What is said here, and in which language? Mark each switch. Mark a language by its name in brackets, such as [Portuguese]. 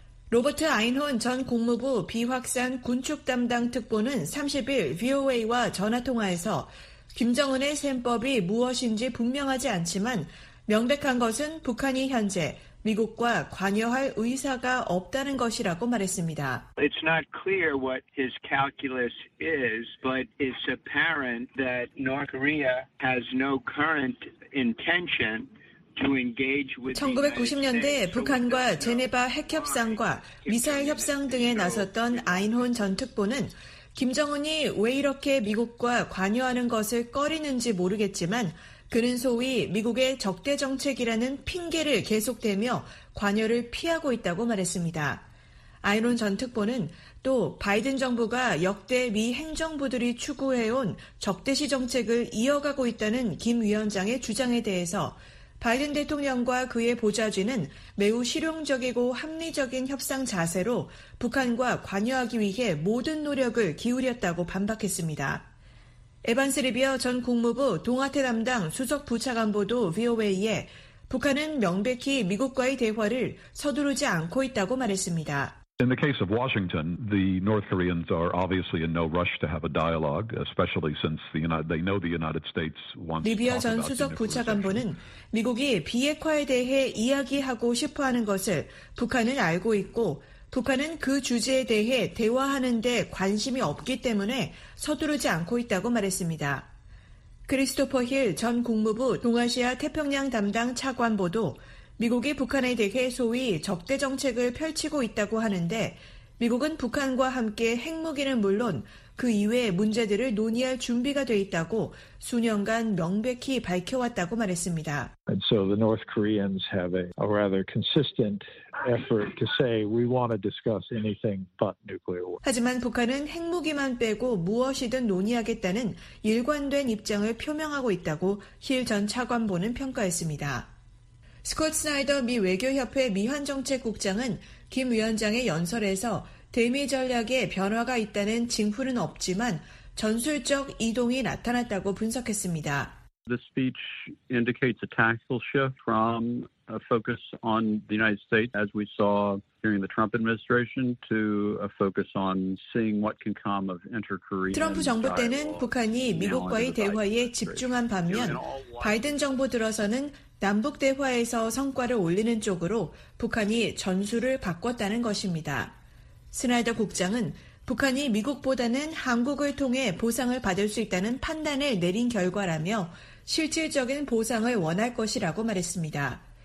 [Korean] 로버트 아인혼 전 국무부 비확산 군축 담당 특보는 30일 VOA와 전화통화에서 김정은의 셈법이 무엇인지 분명하지 않지만 명백한 것은 북한이 현재 미국과 관여할 의사가 없다는 것이라고 말했습니다. [English] It's not clear what his calculus is, but it's apparent that North Korea has no current intention to engage with the United States. [Korean] 1990년대 북한과 제네바 핵협상과 미사일 협상 등에 나섰던 아인혼 전 특보는 김정은이 왜 이렇게 미국과 관여하는 것을 꺼리는지 모르겠지만 그는 소위 미국의 적대 정책이라는 핑계를 계속대며 관여를 피하고 있다고 말했습니다. 아이론 전 특보는 또 바이든 정부가 역대 미 행정부들이 추구해온 적대시 정책을 이어가고 있다는 김 위원장의 주장에 대해서 바이든 대통령과 그의 보좌진은 매우 실용적이고 합리적인 협상 자세로 북한과 관여하기 위해 모든 노력을 기울였다고 반박했습니다. 에반스 리비어 전 국무부 동아태 담당 수석 부차관보도 VOA에 북한은 명백히 미국과의 대화를 서두르지 않고 있다고 말했습니다. [English] In the case of Washington, the North Koreans are obviously in no rush to have a dialogue, especially since the United, they know the United States wants. [Korean] 리비어 전 수석 부차관보는 미국이 비핵화에 대해 이야기하고 싶어하는 것을 북한은 알고 있고. 북한은 그 주제에 대해 대화하는 데 관심이 없기 때문에 서두르지 않고 있다고 말했습니다. 크리스토퍼 힐 전 국무부 동아시아 태평양 담당 차관보도 미국이 북한에 대해 소위 적대 정책을 펼치고 있다고 하는데 미국은 북한과 함께 핵무기는 물론 그 이외의 문제들을 논의할 준비가 돼 있다고 수년간 명백히 밝혀왔다고 말했습니다. [English] And so the North Koreans have a rather consistent effort to say we want to discuss anything but nuclear war. [Korean] 하지만 북한은 핵무기만 빼고 무엇이든 논의하겠다는 일관된 입장을 표명하고 있다고 힐 전 차관보는 평가했습니다. 스콧 스나이더 미 외교협회 미한정책국장은 김 위원장의 연설에서 대미 전략에 변화가 있다는 징후는 없지만 전술적 이동이 나타났다고 분석했습니다. [English] The speech indicates a tactical shift from a focus on the United States as we saw during the Trump administration to a focus on seeing what can come of inter-Korean. [Korean] 트럼프 정부 때는 북한이 미국과의 대화에 집중한 반면 바이든 정부 들어서는 남북 대화에서 성과를 올리는 쪽으로 북한이 전술을 바꿨다는 것입니다. 스나이더 국장은 북한이 미국보다는 한국을 통해 보상을 받을 수 있다는 판단을 내린 결과라며 실질적인 보상을 원할 것이라고 말했습니다.